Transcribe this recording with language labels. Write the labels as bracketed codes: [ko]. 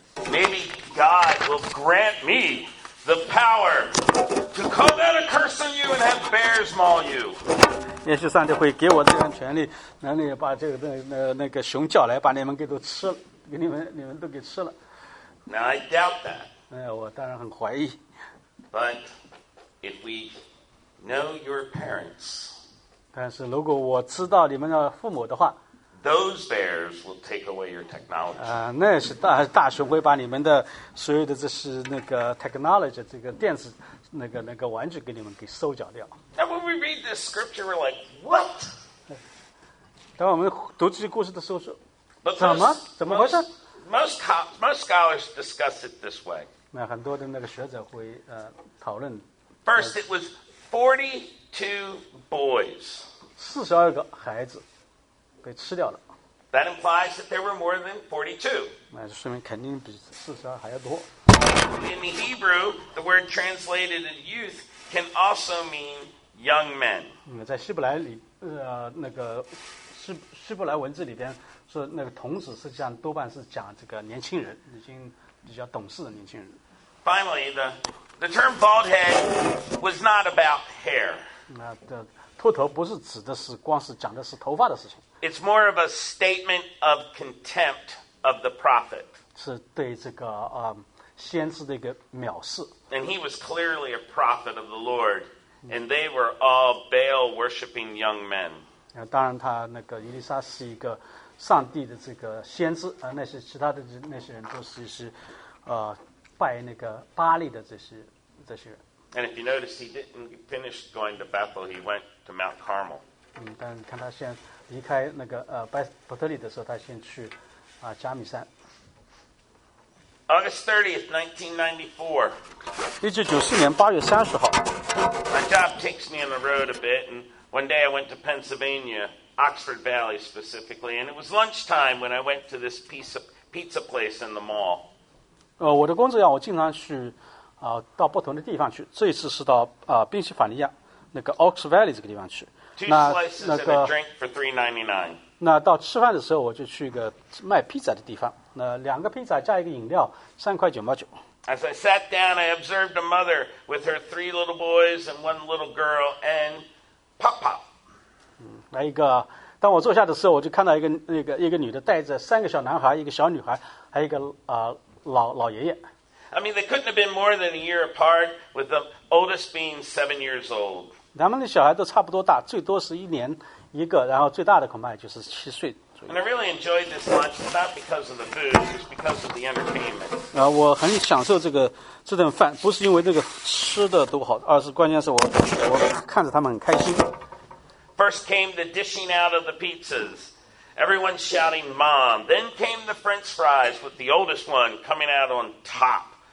[en] Maybe God will grant me the power to call down a curse on you and have bears maul you. [zh] 也许上帝会给我这样权利，让你把这个那个熊叫来，把你们给都吃了，给你们都给吃了。 [en] Now I doubt that. [zh] 我当然很怀疑。 [en] But if we know your parents, [zh] 但是如果我知道你们的父母的话， [en] those bears will take away your technology. [zh] 那是大熊会把你们的所有的这是那个 technology 这个电子那个玩具给你们给收缴掉。 [en] Now when we read this scripture, we're like, what? [zh] 当我们读这些故事的时候说，怎么回事？ [en] Most scholars discuss it this way. [zh] 很多的那个学者会讨论。 [en] First, it was 42 boys. [zh] 42个孩子被吃掉了。 [en] That implies that there were more than 42. [zh] 那就说明肯定比42还要多。 [en] In Hebrew, the word translated as youth can also mean young men. [zh] 在希伯来里那个希伯来文字里边说那个童子实际上多半是讲这个年轻人已经。比较懂事的年轻人。 [en] Finally, the term bald head was not about hair. [zh] 那的秃头不是指的是光是讲的是头发的事情。 [en] It's more of a statement of contempt of the prophet. [zh] 是对这个先知的一个藐视。 [en] And he was clearly a prophet of the Lord, and they were all Baal worshiping young men. [zh] 那当然，他那个伊丽莎是一个。上帝的这个先知那些其他的那些人都是拜那个巴利的这些人。 [en] And if you notice, he didn't finish going to Bethel, he went to Mount Carmel. [zh] 但你看他先离开那个伯特利的时候，他先去加密山。 [en] August 30th, 1994. [zh] 1994年8月30号。 [en] My job takes me on the road a bit, and one day I went to Pennsylvania. Oxford Valley specifically, and it was lunchtime when I went to this pizza place in the mall. [zh] 我的工作让我经常去到不同的地方去。这一次是到宾夕法尼亚那个 Oxford Valley 这个地方去。 Two slices and a drink for $3.99. 那到吃饭的时候，我就去一个卖披萨的地方。那两个披萨加一个饮料，$3.99。 [en] As I sat down, I observed a mother with her three little boys and one little girl, and pop pop. [zh] 来一个，当我坐下的时候，我就看到一个女的带着三个小男孩，一个小女孩，还有一个老爷爷。 [en] I mean, they couldn't have been more than a year apart, with the oldest being 7 years old. [zh] 他们的小孩都差不多大，最多是一年一个，然后最大的恐怕就是7岁。 [en] And I really enjoyed this lunch, not because of the food, it was because of the entertainment. [zh] 我很享受这顿饭，不是因为这个吃的多好，而是关键是我看着他们很开心。 [en] First came the dishing out of the pizzas, everyone shouting "Mom!" Then came the French fries, with the oldest one coming out on top.